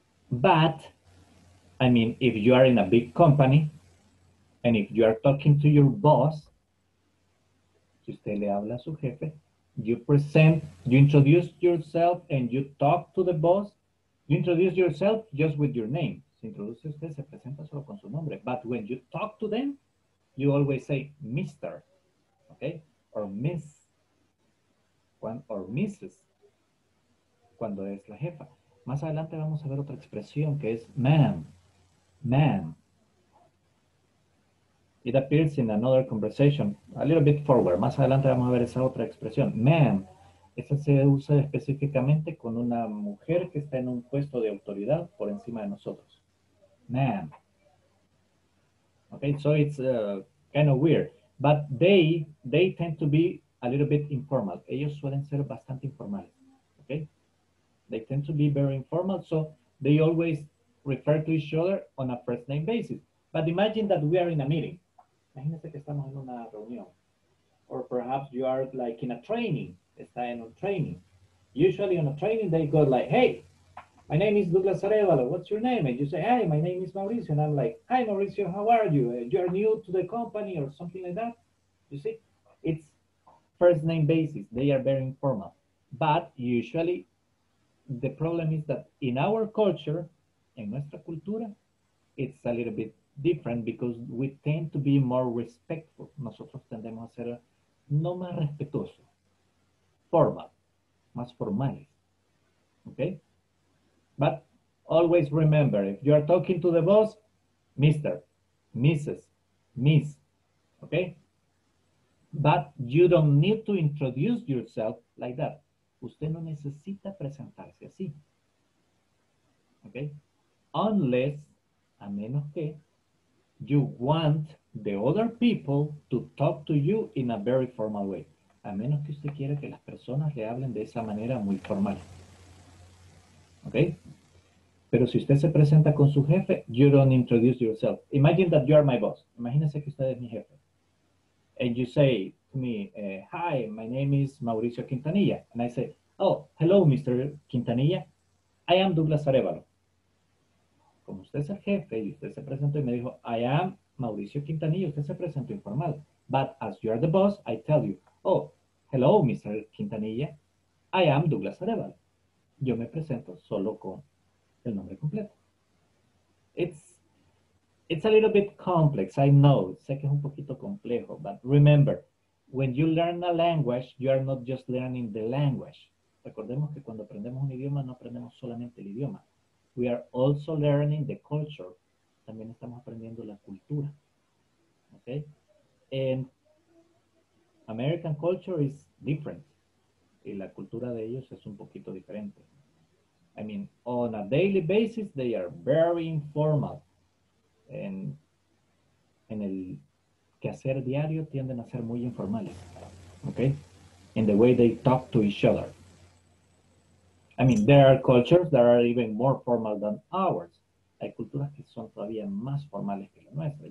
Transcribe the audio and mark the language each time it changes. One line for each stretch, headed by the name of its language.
English: But, I mean, if you are in a big company, and if you are talking to your boss,
Spanish: si usted le habla a su jefe,
English: you present, you introduce yourself, and you talk to the boss, you introduce yourself just with your name.
Spanish: Se introduce usted, se presenta solo con su nombre.
English: But when you talk to them, you always say, Mr., okay? Or Miss. Or Mrs.,
Spanish: cuando es la jefa. Más adelante vamos a ver otra expresión que es ma'am, ma'am.
English: It appears in another conversation, a little bit forward.
Spanish: Más adelante vamos a ver esa otra expresión, ma'am. Esa se usa específicamente con una mujer que está en un puesto de autoridad por encima de nosotros.
English: Ma'am. Okay, so it's kind of weird. But they tend to be a little bit informal.
Spanish: Ellos suelen ser bastante informales,
English: okay? They tend to be very informal, so they always refer to each other on a first name basis. But imagine that we are in a meeting.
Spanish: Imagínese que estamos en una reunión.
English: Or perhaps you are like in a training.
Spanish: Está en un training.
English: Usually on a training, they go like, hey, my name is Douglas Arevalo, what's your name? And you say, hey, my name is Mauricio. And I'm like, hi, Mauricio, how are you? You're new to the company or something like that. You see, it's first name basis. They are very informal. But usually the problem is that in our culture, in
Spanish: nuestra cultura,
English: it's a little bit different because we tend to be more respectful.
Spanish: Nosotros tendemos a ser no más respetuoso, formal, más formales, okay?
English: But always remember, if you are talking to the boss, Mr., Mrs., Miss, okay? But you don't need to introduce yourself like that.
Spanish: Usted no necesita presentarse así, okay?
English: Unless,
Spanish: a menos que,
English: you want the other people to talk to you in a very formal way.
Spanish: A menos que usted quiera que las personas le hablen de esa manera muy formal, okay? Pero si usted se presenta con su jefe,
English: you don't introduce yourself. Imagine that you are my boss.
Spanish: Imagínese que usted es mi jefe.
English: And you say to me, hi, my name is Mauricio Quintanilla. And I say, oh, hello, Mr. Quintanilla. I am Douglas Arevalo.
Spanish: Como usted es el jefe y usted se presentó y me dijo,
English: I am Mauricio Quintanilla.
Spanish: Usted se presentó informal.
English: But as you are the boss, I tell you, oh, hello, Mr. Quintanilla. I am Douglas Arevalo.
Spanish: Yo me presento solo con el nombre completo.
English: It's a little bit complex, I know.
Spanish: Sé que es un poquito complejo,
English: but remember, when you learn a language, you are not just learning the language.
Spanish: Recordemos que cuando aprendemos un idioma, no aprendemos solamente el idioma.
English: We are also learning the culture.
Spanish: También estamos aprendiendo la cultura.
English: Okay? And American culture is different.
Spanish: Y la cultura de ellos es un poquito diferente.
English: I mean, on a daily basis, they are very informal.
Spanish: En el quehacer diario, tienden a ser muy informales, okay?
English: In the way they talk to each other. I mean, there are cultures that are even more formal than ours.
Spanish: Hay culturas que son todavía más formales que la nuestra.